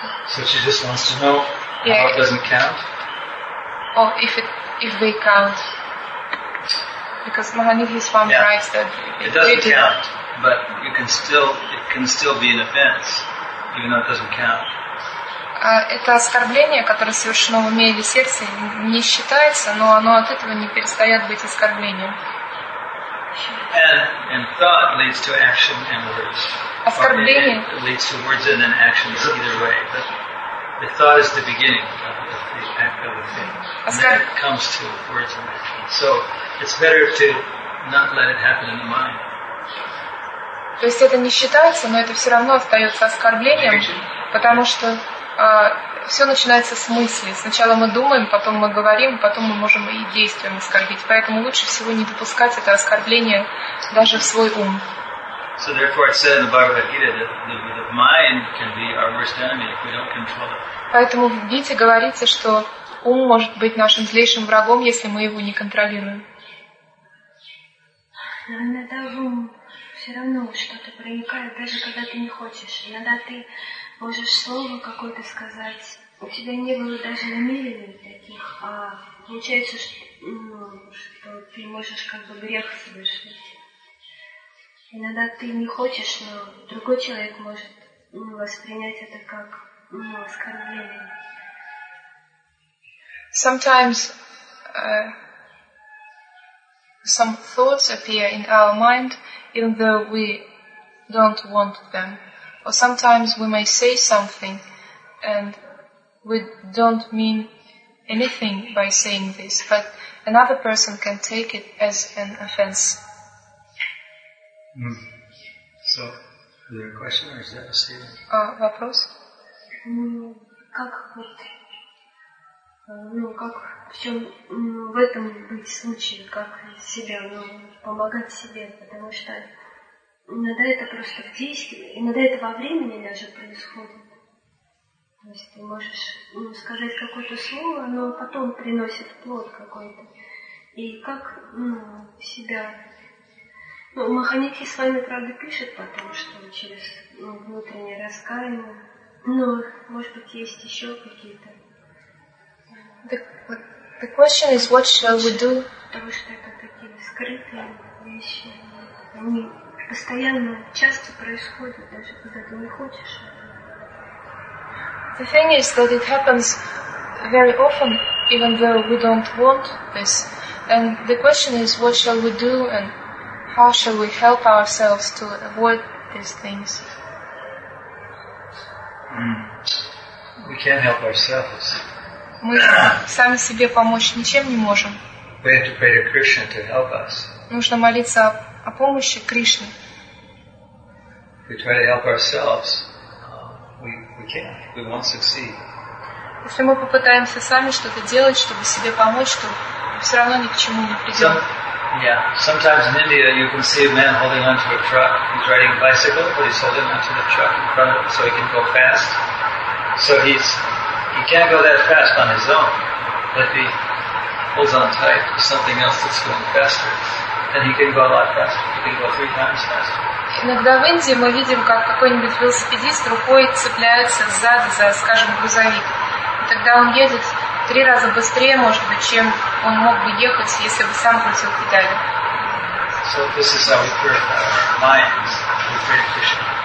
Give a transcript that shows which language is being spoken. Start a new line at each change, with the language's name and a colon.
English: So she just wants to know how it doesn't count? or if they count. Because Mahanidhi Swami writes that it doesn't count, but you can still, it can still be an offense, even though it doesn't count.
Russian: Это оскорбление, которое совершено в уме или сердце, не считается, но оно от этого не перестает быть оскорблением.
English: And thought leads to action and words.
Russian: Оскорбление
English: leads to words and then actions either way. But the thought is the beginning of the act of the thing. And then it comes to words and actions. So it's better to not let it happen in the mind.
Russian: То есть это не считается, но это все равно остается оскорблением, потому что все начинается с мысли. Сначала мы думаем, потом мы говорим, потом мы можем и действием оскорбить. Поэтому лучше всего не допускать это оскорбление даже в свой ум.
English: So therefore it's said in the Bhagavad Gita that the mind can be our worst enemy if we don't control it.
Russian: Поэтому в Гите говорится, что ум может быть нашим злейшим врагом, если мы его не контролируем. Иногда в ум все равно что-то проникает, даже когда ты не хочешь. Иногда ты можешь слово какое-то сказать. У тебя не было даже намерений таких, а получается, что ты можешь как бы грех совершить. Иногда ты не хочешь, но другой человек может воспринять это как оскорбление.
English: Sometimes some thoughts appear in our mind, even though we don't want them. Or sometimes we may say something and we don't mean anything by saying this, but another person can take it as an offense. Mm. So, is there a question or is that a statement?
Russian: Вопрос? Как вот, как в чем, в этом быть случае, как себя, помогать себе, потому что иногда это просто в действии, иногда это во времени даже происходит. То есть ты можешь сказать какое-то слово, но потом приносит плод какой-то. И как себя... Маханитхи с вами, правда, пишет потом, что через внутреннее раскаяние. Но, может быть, есть еще какие-то...
English: The question is, what shall we do?
Russian: Потому что это такие скрытые вещи. Они... постоянно, часто происходит, даже когда ты не хочешь.
English: The thing is that it happens very often, even though we don't want this. And the question is, what shall we do and how shall we help ourselves to avoid these things? We can't help ourselves.
Russian: Мы сами себе помочь ничем не можем.
English: We have to pray to Krishna to help us.
Russian: Нужно молиться о помощи Кришне.
English: We try to help ourselves. We can. We won't succeed.
Russian: Если мы попытаемся сами что-то делать, чтобы себе помочь, то все равно ни к чему не придем.
English: Sometimes in India you can see a man holding onto a truck. He's riding a bicycle, but he's holding onto the truck in front of him so he can go fast. So he can't go that fast on his own, but he holds on tight to something else that's going faster. And he can go a lot faster. He can go 3 times faster.
Russian: Иногда в Индии мы видим, как какой-нибудь велосипедист рукой цепляется сзади за, скажем, грузовик. И тогда он едет 3 раза быстрее, может быть, чем он мог бы ехать, если бы сам крутил педали.
English: So this is how we pray minds. We pray Krishna.